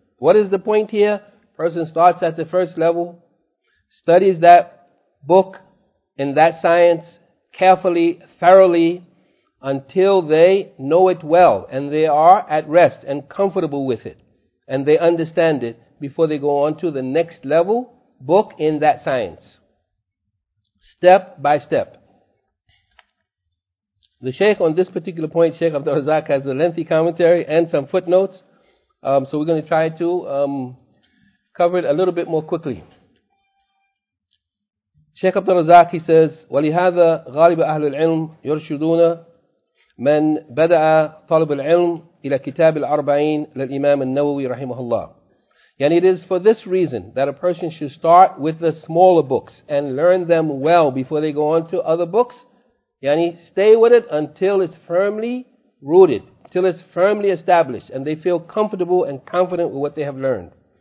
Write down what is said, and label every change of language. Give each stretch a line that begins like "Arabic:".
English: What is the point here? Person starts at the first level, studies that book in that science carefully, thoroughly, until they know it well and they are at rest and comfortable with it and they understand it before they go on to the next level book in that science. Step by step. The Shaykh on this particular point, Shaykh Abdul Razak, has a lengthy commentary and some footnotes. So we're going to try to cover it a little bit more quickly. Shaykh Abdul Razak, he says,
Arabic: وَلِهَذَا غَالِبَ أَهْلُ الْعِلْمِ يُرْشُدُونَ مَنْ بَدَعَ طَلَبُ الْعِلْمِ إِلَى كِتَابِ الْأَرْبَعِينَ لِلْإِمَامِ النَّوَوِي رَحِمَهُ اللَّهِ.
English: And it is for this reason that a person should start with the smaller books and learn them well before they go on to other books. Yani, stay with it until it's firmly rooted, till it's firmly established, and they feel comfortable and confident with what they have learned.